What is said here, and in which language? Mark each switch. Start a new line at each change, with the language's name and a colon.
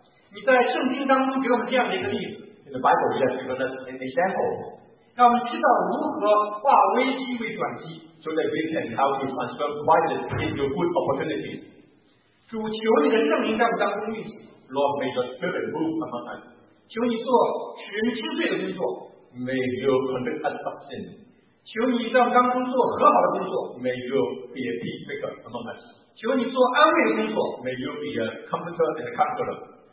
Chinese: 先父，我们感谢你。我们感谢你借着耶稣基督上能够与你和好。你在圣经当中给我们这样的一个例子。
English: In the Bible, you have given us an example.
Chinese: 让我们知道如何化危机为转机。
English: So that we can how to transform crisis into good opportunities.
Chinese: 主，求你的圣灵在我们当中运行。
English: Lord, may your spirit move among us.
Chinese: 求你做使人知罪的工作。
English: May you convict us of sin.
Chinese: 求你让当中做和好的工作。
English: May you be a peacemaker among us.
Chinese: 求你做安慰的工作。
English: May you be a comforter and a comforter.